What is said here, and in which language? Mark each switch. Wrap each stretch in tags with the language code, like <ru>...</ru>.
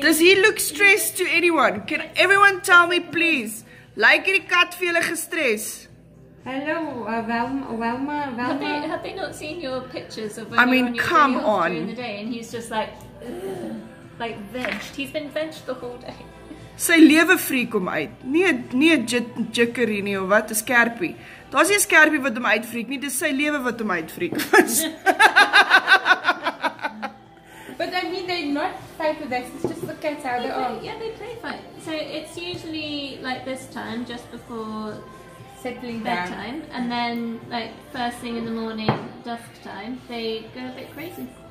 <en>Does he look stressed to anyone? Can everyone tell me, please?</en> <af>Like die kat vir julle gestres?</af> <en>Hello, Velma. Have they not seen your pictures of when you're on your during the day and he's just like, like benched. He's been benched the whole day.</en> <af>Sy lewe freak hom uit. Nie 'n jikkerie nie of wat, 'n skerpie. Daar's nie 'n skerpie wat hom uitfreak nie, dis sy lewe wat hom uitfreak.</af> <en>But I mean, they're not fighting, it's just the cats out there. Yeah, they play fight. So it's usually like this time, just before settling bedtime, down. And then like first thing in the morning, dusk time, they go a bit crazy.</en>